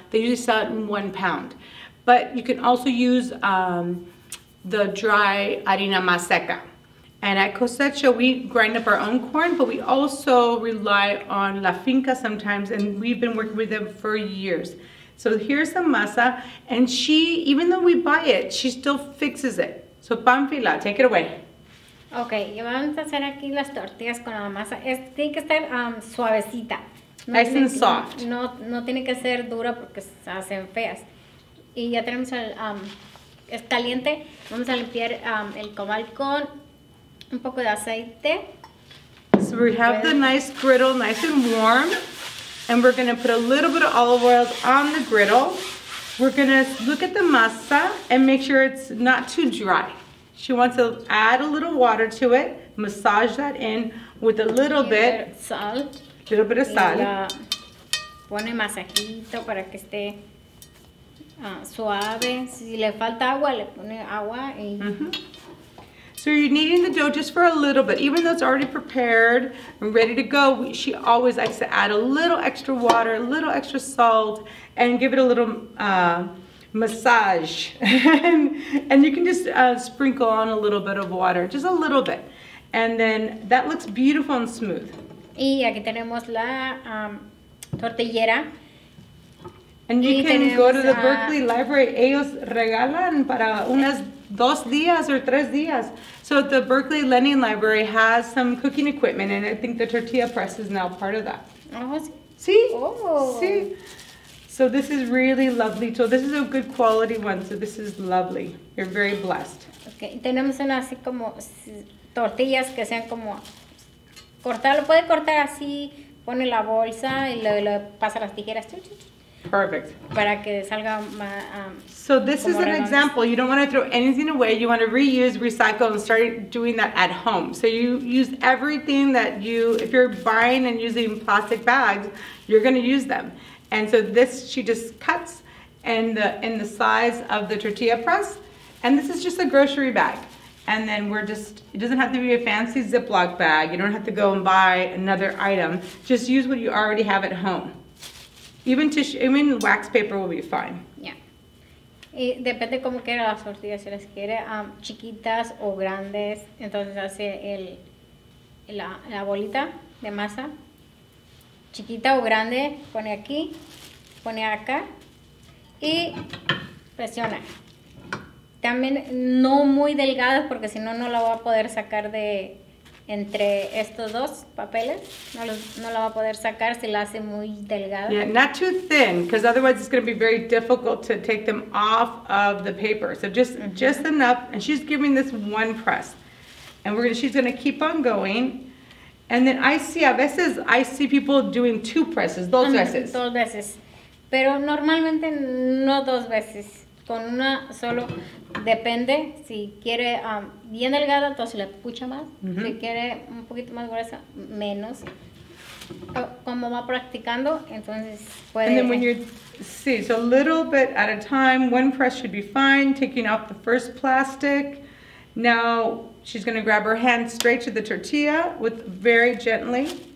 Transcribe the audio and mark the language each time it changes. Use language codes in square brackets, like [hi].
[en] They usually sell it in 1 pound. But you can also use the dry harina maseca. And at Cosecha, we grind up our own corn, but we also rely on La Finca sometimes, and we've been working with them for years. So here's some masa, and she, even though we buy it, she still fixes it. So Pamphila, take it away. [es] Okay, y vamos a hacer aquí las tortillas con la masa. Es, tiene que estar suavecita. [en] No nice and soft. [es] No tiene que ser dura porque se hacen feas. Y ya tenemos el, es caliente. Vamos a limpiar el comal con un poco de aceite. [en] So we have the nice griddle, nice and warm. And we're going to put a little bit of olive oil on the griddle. We're gonna look at the masa and make sure it's not too dry. She wants to add a little water to it, massage that in with a little bit. [es] Sal. [en] Little bit of sal. [es] Pone masajito para que esté suave. Si le falta agua, le pone agua y. [en] So you're kneading the dough just for a little bit. Even though it's already prepared and ready to go, she always likes to add a little extra water, a little extra salt, and give it a little massage. And you can just sprinkle on a little bit of water, just a little bit. And then that looks beautiful and smooth. [es] Y aquí tenemos la tortillera. [en] And you can go to the Berkeley Library. [es] Ellos regalan para unas dos días or tres días. [en] So the Berkeley Lending Library has some cooking equipment, and I think the tortilla press is now part of that. See? Oh. See? So this is really lovely. So this is a good quality one. So this is lovely. You're very blessed. Okay. [es] Tenemos una así como tortillas que sean como cortarlo. Puede cortar así, pone la bolsa y lo pasa las tijeras. [en] Perfect. [es] Para que salga más, [en] so this is an example. You don't want to throw anything away. You want to reuse, recycle, and start doing that at home. So you use everything that you, if you're buying and using plastic bags, you're going to use them. And so this, she just cuts in the size of the tortilla press. And this is just a grocery bag. And then we're just, it doesn't have to be a fancy Ziploc bag. You don't have to go and buy another item. Just use what you already have at home. Even tissue, I mean wax paper will be fine. Yeah. [es] Y depende cómo quiera las tortillas, si las quiere chiquitas o grandes, entonces hace la bolita de masa. Chiquita o grande, pone aquí, pone acá y presiona. También no muy delgadas porque si no no la va a poder sacar de entre estos dos papeles, no la va a poder sacar si la hace muy delgada. [en] Yeah, not too thin, because otherwise it's going to be very difficult to take them off of the paper. So just just enough, and she's giving this one press. And she's going to keep on going. And then I see people doing two presses, [es] dos veces. Dos veces. Pero normalmente no dos veces. Con una solo, depende, si quiere bien delgada, entonces le pucha más. Mm-hmm. Si quiere un poquito más gruesa, menos. Como va practicando, entonces puede... [en] And then when you're, see, so a little bit at a time, one press should be fine, taking off the first plastic. Now she's going to grab her hand straight to the tortilla with very gently.